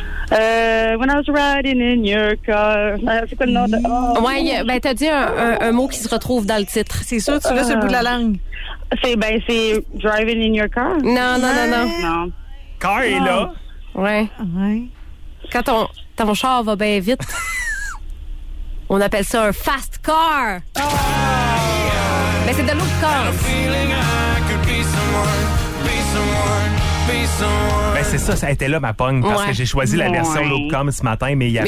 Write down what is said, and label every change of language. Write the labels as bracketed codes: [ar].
[en] When I was riding in your car. [fr] C'est quoi le nom de... Ouais, ben t'as dit un mot qui se retrouve dans le titre. C'est sûr, tu l'as sur le bout de la langue. C'est [en] driving in your car. [fr] Non. Car est là. Ouais. Quand ton char va bien vite, on appelle ça un fast car. Oh. Mais c'est de l'autre car. Ben c'est ça, ça a été là ma pogne, parce que j'ai choisi la version low-com ce matin, mais il y avait...